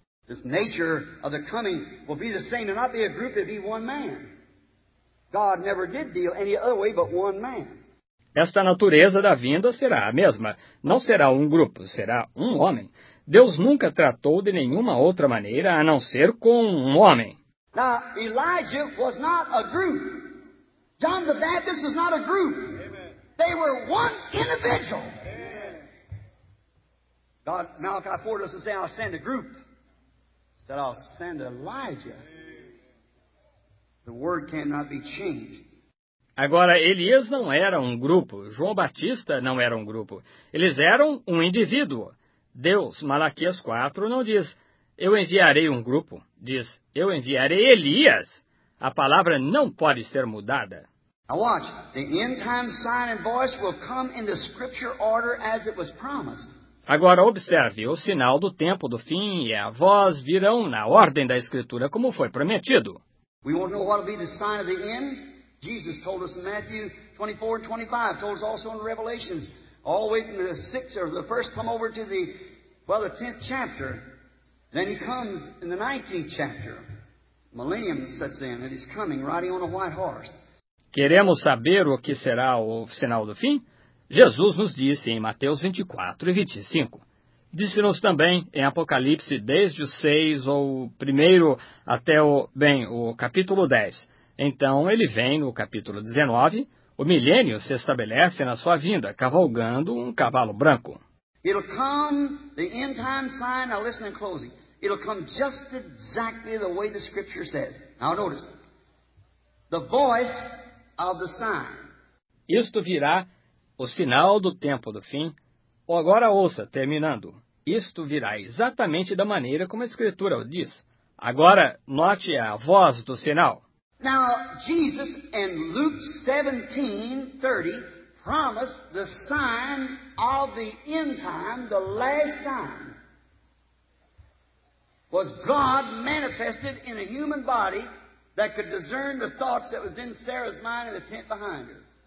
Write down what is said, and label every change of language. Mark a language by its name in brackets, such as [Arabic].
[English] This nature of the coming will be the same. It'll not be a group, it'll be one man. God never did deal any other way but one man. [Portuguese] Esta natureza da vinda será a mesma. Não será um grupo, será um homem. Deus nunca tratou de nenhuma outra maneira a não ser com um homem. [English] Now, Elijah was not a group. John the Baptist was not a group. Amen. They were one individual. Amen. God, Malachi 4 doesn't say, I'll send a group. Instead, I'll send Elijah. Amen. The word cannot be changed. [Portuguese] Agora, Elias não era um grupo, João Batista não era um grupo, eles eram um indivíduo. Deus, Malaquias 4, não diz, eu enviarei um grupo, diz, eu enviarei Elias. A palavra não pode ser mudada. [English] Now watch, the end time sign and voice will come in the scripture order as it was promised. [Portuguese] Agora observe, o sinal do tempo do fim e a voz virão na ordem da escritura como foi prometido. [English] We won't know what will be the sign of the end. Jesus told us in Matthew 24 and 25, told us also in Revelations, all the way from the sixth or the first come over to the, well, the 10th chapter. Then he comes in the 19th chapter. Millennium sets in and he's coming, riding on a white horse. [Portuguese] Queremos saber o que será o sinal do fim? Jesus nos disse em Mateus 24 e 25. Disse-nos também em Apocalipse desde o 6 ou primeiro até o capítulo 10. Então, ele vem no capítulo 19, o milênio se estabelece na sua vinda, cavalgando um cavalo branco. [English] It'll come, the end time sign, now listen in closing. It'll come just exactly the way the scripture says. Now notice, the voice of the sign. [Portuguese] Isto virá o sinal do tempo do fim, Agora ouça, terminando. Isto virá exatamente da maneira como a Escritura o diz. Agora, note a voz do sinal. [English] Now, Jesus in Luke 17:30 promised the sign of the end time, the last sign, was God manifested in a human body that could discern the thoughts that was in Sarah's mind in the tent behind her.